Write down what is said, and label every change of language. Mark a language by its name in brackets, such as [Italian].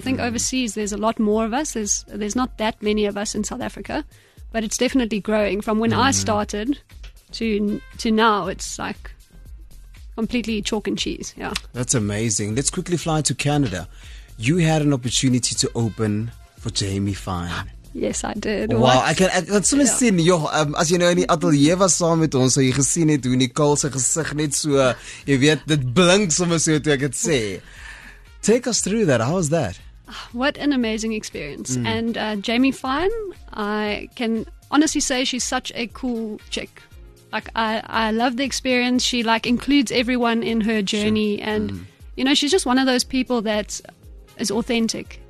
[English] I think overseas there's a lot more of us. There's not that many of us in South Africa, but it's definitely growing. From when I started to now, it's like completely chalk and cheese. Yeah, that's amazing. Let's quickly fly to Canada. You had an opportunity to open for Jamie Fine. Yes, I did. Wow, what? I can [Afrikaans] sommer sien, joh, as jy nou in die ateljee was saam met ons, so jy gesien het hoe Nicole se gesig net so, jy weet, dit blink sommer so toe ek het sê. [English] Take us through that. How was that? What an amazing experience. Mm. And Jamie Fine, I can honestly say she's such a cool chick. Like, I love the experience. She, like, includes everyone in her journey. Sure. And, you know, she's just one of those people that is authentic.